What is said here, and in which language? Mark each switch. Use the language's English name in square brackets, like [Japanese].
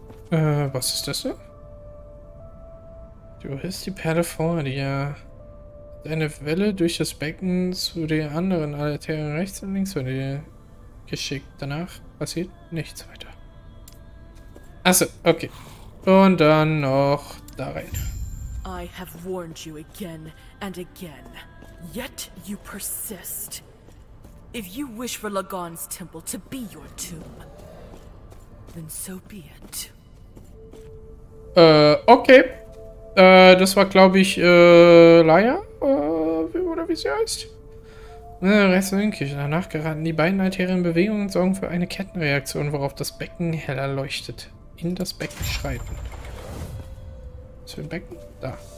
[German] Was ist das denn? Du hältst die Perle vor dir. Deine Welle durch das Becken zu den anderen Arterien rechts und links von dir geschickt. Danach passiert nichts weiter. Achso, okay. Und dann noch da rein. [English] I have warned you again and again. Yet you persist. If you wish for Lagan's temple to be your tomb, then so be it. Okay. [German] Das war, glaube ich, Laia, oder wie sie heißt. Rest in Küche. Danach geraten die beiden Altäre in Bewegung und sorgen für eine Kettenreaktion, worauf das Becken heller leuchtet. In das Becken schreiten. Was für ein Becken? Da.